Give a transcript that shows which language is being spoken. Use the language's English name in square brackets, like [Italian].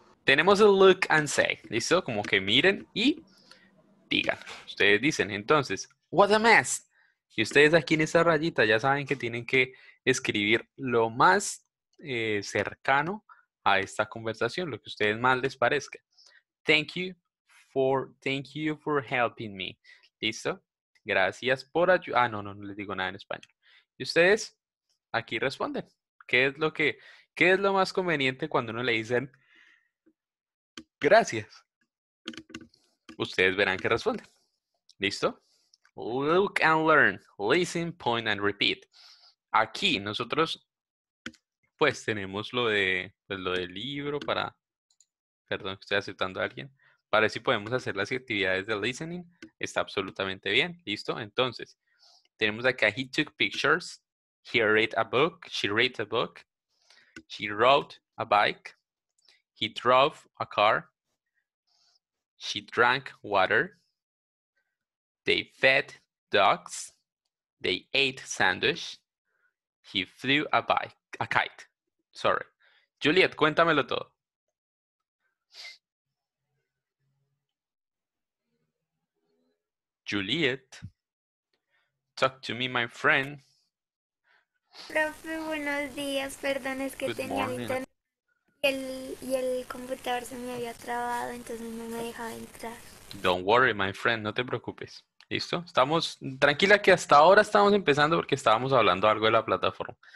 [Spanish] Tenemos el [English] look and say, [Spanish] ¿listo? Como que miren y digan. Ustedes dicen, entonces, [English] what a mess. [Spanish] Y ustedes aquí en esa rayita ya saben que tienen que escribir lo más cercano a esta conversación, lo que a ustedes más les parezca. [English] Thank you for helping me. [Spanish] ¿Listo? Gracias por ayudar. Ah, no les digo nada en español. Y ustedes aquí responden. ¿Qué es lo más conveniente cuando uno le dicen gracias? Ustedes verán qué responden. ¿Listo? [English] Look and learn. Listen, point and repeat. [Spanish] Aquí nosotros pues tenemos lo del libro para... Perdón, estoy aceptando a alguien. Para si podemos hacer las actividades de listening. Está absolutamente bien. ¿Listo? Entonces, tenemos acá, [English] he took pictures. He read a book. She read a book. He rode a bike. He drove a car. She drank water. They fed dogs. They ate sandwich. He flew a kite. Sorry. [Spanish] Juliet, cuéntamelo todo. [English] Juliet, talk to me, my friend. [Spanish] Profe, buenos días. Perdón, es que el computador se me había trabado, entonces no me dejaba entrar. [English] Don't worry, my friend, [Spanish] no te preocupes. [English] ¿Listo? [Spanish] Estamos tranquila que hasta ahora estamos empezando porque estábamos hablando algo de la plataforma.